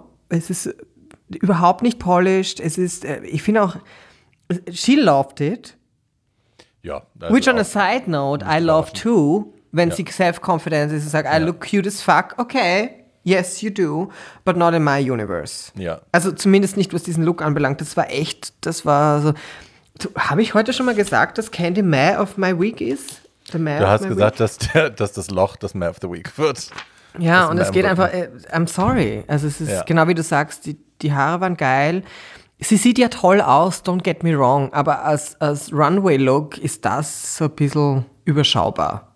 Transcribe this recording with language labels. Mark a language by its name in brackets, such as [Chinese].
[German] Es ist überhaupt nicht polished. Es ist, ich finde auch, [English] she loved it. [German] Ja. [English] Also which on a side note, I love too. [German] Wenn sie self-confidence ist und sagt, [English] I look cute as fuck. Okay, yes, you do, but not in my universe. [German] Ja. Also zumindest nicht, was diesen Look anbelangt. Das war so. Habe ich heute schon mal gesagt, dass Candy May of my week ist? Du hast gesagt, dass das Loch das May of the week wird. Ja, und es geht einfach, [English] I'm sorry. [German] Also es ist genau wie du sagst, die Haare waren geil. Sie sieht ja toll aus, [English] don't get me wrong, [German] aber als Runway-Look ist das so ein bisschen überschaubar.